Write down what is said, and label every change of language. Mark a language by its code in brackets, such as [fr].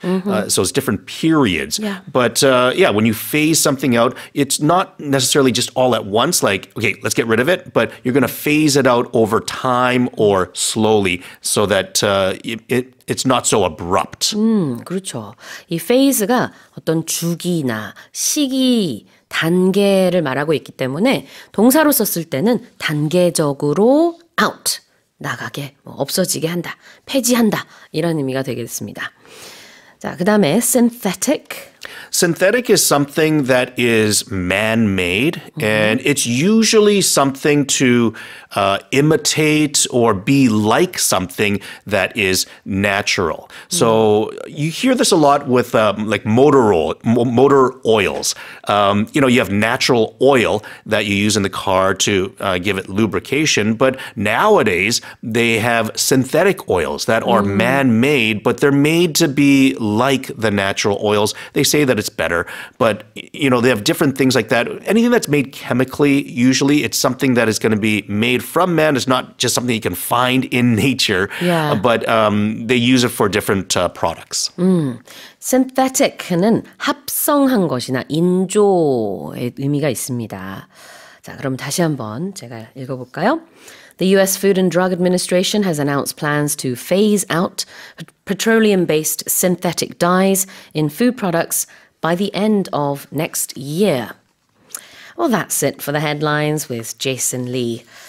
[en] Mm-hmm. So it's different periods. Yeah. But, yeah, when you phase something out, it's not necessarily just all at once, like, okay, let's get rid of it. But you're going to phase it out over time or slowly so that it's not so abrupt. [ko] 그렇죠. 이 phase가 어떤 주기나 시기, 단계를 말하고 있기 때문에 동사로 썼을 때는 단계적으로 out, 나가게, 뭐 없어지게 한다, 폐지한다 이런 의미가 되겠습니다. 자, 그 다음에 synthetic. [en] Synthetic is something that is man-made, and it's usually something to imitate or be like something that is natural. So you hear this a lot with like motor oils. You know, you have natural oil that you use in the car to give it lubrication, but nowadays they have synthetic oils that are man-made, but they're made to be like the natural oils. They say that it's better, but you know, they have different things like that. Anything that's made chemically, usually it's something that is going to be made from man. It's not just something you can find in nature, but they use it for different products. [ko] Synthetic는 합성한 것이나 인조의 의미가 있습니다. 자, 그럼 다시 한번 제가 읽어볼까요? [en] The U.S. Food and Drug Administration has announced plans to phase out petroleum-based synthetic dyes in food products by the end of next year. Well, that's it for the headlines with Jason Lee.